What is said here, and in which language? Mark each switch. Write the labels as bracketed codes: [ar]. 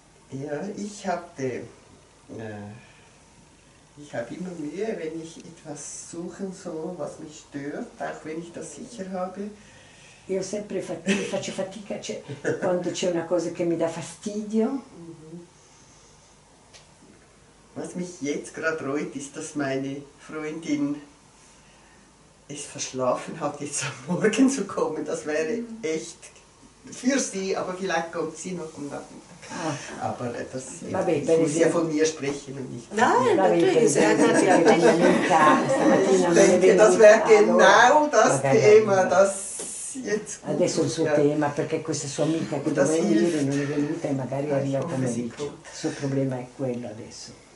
[de] Ja, ich habe immer Mühe, wenn ich etwas suchen soll, was mich stört, auch wenn ich das sicher habe. [it] Io sempre faccio fatica, cioè, quando c'è una cosa che mi dà fastidio. [de] Was mich jetzt gerade reut, ist, dass meine Freundin es verschlafen hat, jetzt am Morgen zu kommen. Das wäre echt für sie, aber vielleicht kommt sie noch am Nachmittag. Ah. Aber das muss ja von mir sprechen und nicht von mir. Nein, natürlich. Ich denke, das wäre genau das Thema, das jetzt. [it] Adesso il suo tema, perché questa sua amica che doveva venire non è venuta e magari arriva al pomeriggio. Il suo problema è quello adesso.